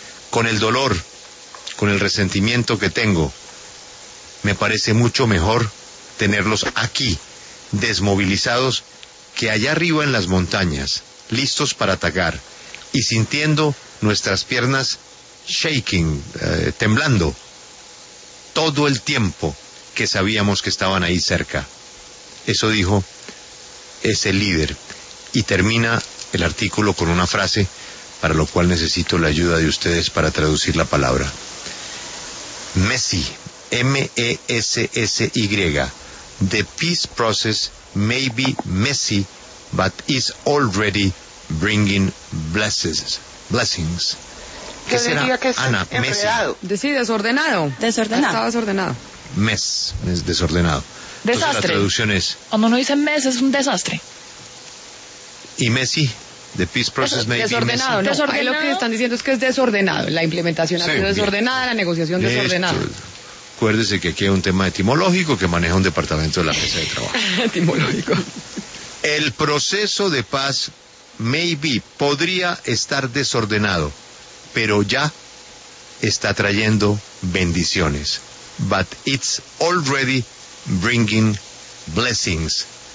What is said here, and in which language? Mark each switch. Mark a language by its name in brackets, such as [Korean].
[Spanish] Con el dolor, con el resentimiento que tengo, me parece mucho mejor tenerlos aquí, desmovilizados, que allá arriba en las montañas, listos para atacar, y sintiendo nuestras piernas shaking, temblando, todo el tiempo que sabíamos que estaban ahí cerca. Eso dijo ese líder. Y termina el artículo con una frase, para lo cual necesito la ayuda de ustedes para traducir la palabra. [English] Messi, M-E-S-S-Y, the peace process may be messy, but is already bringing blessings. [Spanish] ¿Qué será? Ana, Messi. Sí, desordenado. Desordenado. Estaba desordenado. Mes, desordenado. Desastre. Entonces, la traducción es... Cuando uno dice mes, es un desastre. [English] ¿Y Messi? The peace process may [Spanish] desordenado, [English] be messy. [Spanish] No. Desordenado. Ahí lo que están diciendo es que es desordenado. La implementación ha sido desordenada, la negociación desordenada. Acuérdese que aquí hay un tema etimológico que maneja un departamento de la mesa de trabajo. Etimológico. El proceso de paz maybe podría estar desordenado, pero ya está trayendo bendiciones. [English] But it's already bringing blessings.